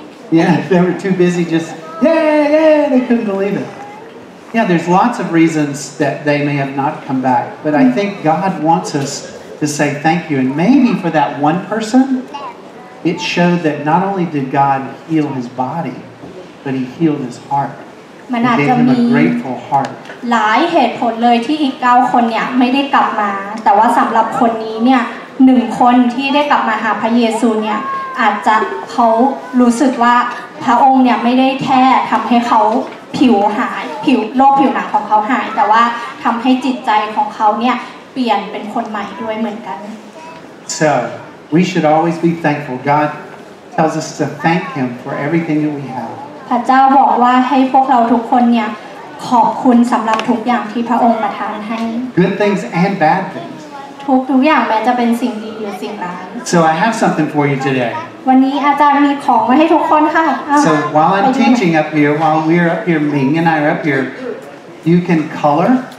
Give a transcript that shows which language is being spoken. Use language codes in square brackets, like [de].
[en] Yeah, they were too busy just, yeah, they couldn't believe it. Yeah, there's lots of reasons that they may have not come back. But I think God wants us to say thank you. And maybe for that one person, it showed that not only did God heal his body, but he healed his heart. [th] มันอาจจะมีหลายเหตุผลเลยที่อีก9คนเนี่ยไม่ได้กลับมาแต่ว่าสำหรับคนนี้เนี่ย1คนที่ได้กลับมาหาพระเยซูเนี่ยอาจจะเขารู้สึกว่าพระองค์เนี่ยไม่ได้แค่ทำให้เขาผิวหายผิวโรคผิวหนังของเขาหายแต่ว่าทำให้จิตใจของเขาเนี่ยเปลี่ยนเป็นคนใหม่ด้วยเหมือนกัน [en] So we should always be thankful. God tells us to thank him for everything that we have [th] พระเจ้าบอกว่าให้พวกเราทุกคนเนี่ยขอบคุณสำหรับทุกอย่างที่พระองค์ประทานให้ [en] Good things and bad things [th] ทุกอย่างแม้จะเป็นสิ่งดีหรือสิ่งร้าย [en] So I have something for you today [th] วันนี้อาจารย์มีของมาให้ทุกคนค่ะ [en] So while I'm teaching up here while we're up here Ming and I are up here you can color